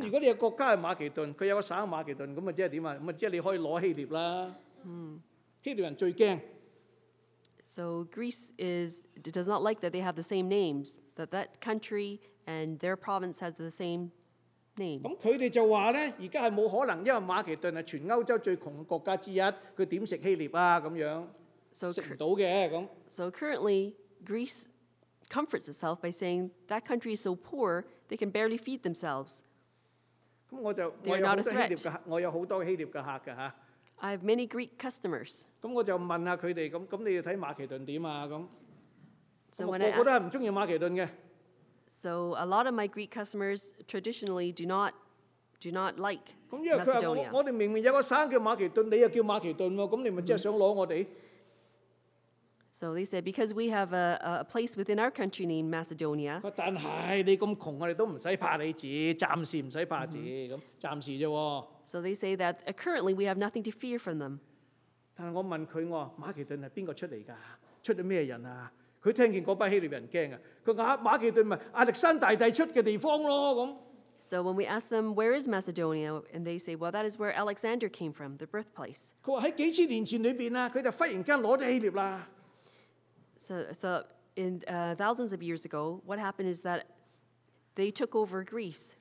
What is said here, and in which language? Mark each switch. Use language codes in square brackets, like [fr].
[en] If your country is Macedonia, it has a province Macedonia, then what? Then you can take Hellas. [yue] 希臘人最驚。 [en] So Greece is does not like that they have the same names, that that country and their province has the same name. [yue] 咁佢哋就話咧，而家係冇可能，因為馬其頓係全歐洲最窮嘅國家之一，佢點食希臘啊？咁樣食唔到嘅咁。 [en] So currently Greece comforts itself by saying that country is so poor they can barely feed themselves. [yue] 咁我就我有好多希臘嘅，我有好多希臘嘅客嘅嚇。 [en] I have many Greek customers. [yue] 咁我就問下佢哋，咁你哋睇馬其頓點啊？咁我個個都係唔中意馬其頓嘅。 [en] So a lot of my Greek customers traditionally do not like Macedonia. [yue] 咁因為佢話我哋明明有個省叫馬其頓，你又叫馬其頓喎，咁你咪即係想攞我哋？ [en] So they said because we have a place within our country named Macedonia. [yue] 但係你咁窮，我哋都唔使怕你住，暫時唔使怕住，咁暫時啫喎。 [en] So they say that currently we have nothing to fear from them. [yue] 但係我問佢，我話馬其頓係邊個出嚟㗎？出咗咩人啊？佢聽見嗰班希臘人驚啊！佢話馬其頓咪亞歷山大帝出嘅地方咯咁。 [en] So when we ask them where is Macedonia, and they say, well, that is where Alexander came from, the birthplace. [yue] 佢話喺幾千年前裏邊啊，佢就忽然間攞咗希臘啦。 [en] So in thousands of years ago, what happened is that they took over Greece.